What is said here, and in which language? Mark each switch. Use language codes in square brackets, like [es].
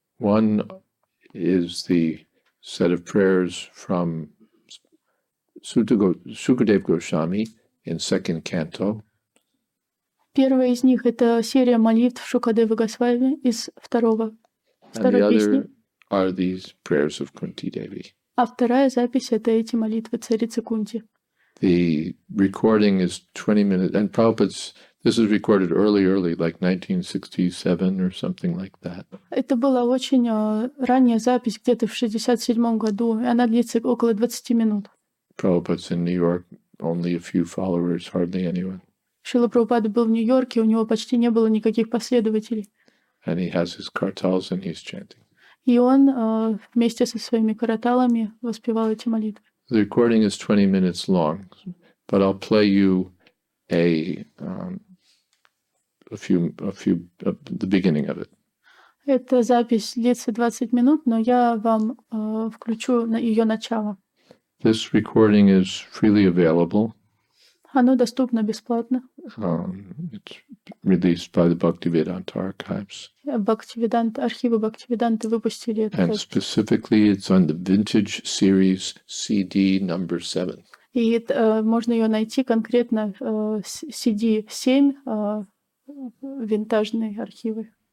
[en] One is the set of prayers from Sukadeva Goswami in second canto. [ru] Первая из них это серия молитв Шукадевы Госвами из второго. [en] And the other are these prayers of Kunti Devi. [ru] А вторая запись это эти молитвы царицы Кунти. [en] The recording is 20 minutes, and Prabhupada's, this is recorded early, like 1967 or something like that. [ru] Это была очень ранняя запись, где-то в 67 году, и она длится около 20 минут. [en] Prabhupada's in New York, only a few followers, hardly anyone. [ru] Шрила Прабхупада был в Нью-Йорке, у него почти не было никаких последователей. [en] And he has his kartals and he's chanting. [ru] И он вместе со своими караталами воспевал эти молитвы. [en] The recording is 20 minutes long, but I'll play you the beginning of it. [ru] Эта запись длится 20 минут, но я вам включу ее начало. [en] This recording is freely available. [ru] Оно доступно бесплатно. [en] It's released by the Bhaktivedanta Archives. [ru] Бхактивиданта, архивы Бхактивиданты выпустили это. [en] And specifically, it's on the Vintage Series CD number 7. [ru] И можно ее найти конкретно CD 7, винтажные архивы.